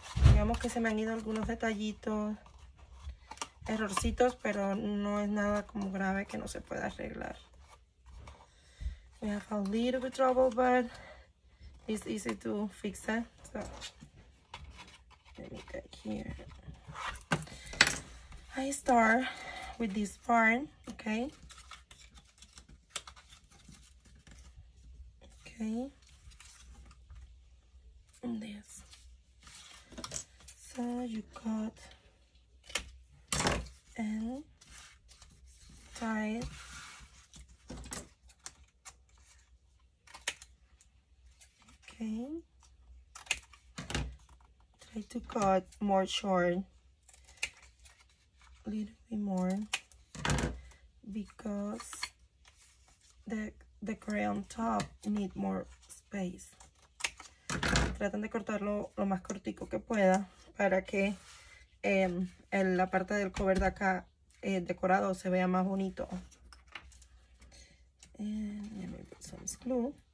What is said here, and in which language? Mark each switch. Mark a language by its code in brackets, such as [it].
[es] Digamos que se me han ido algunos detallitos, errorcitos, pero no es nada como grave que no se pueda arreglar. [en] We have a little bit trouble, but it's easy to fix it. So, let me get here. I start with this part, okay. Okay, and this, so you cut and tie it, okay, try to cut more short, a little bit more, because the crayon top need more space. [es] Traten de cortarlo lo más cortico que pueda para que en la parte del cover de acá decorado se vea más bonito. [en] And let me put some glue.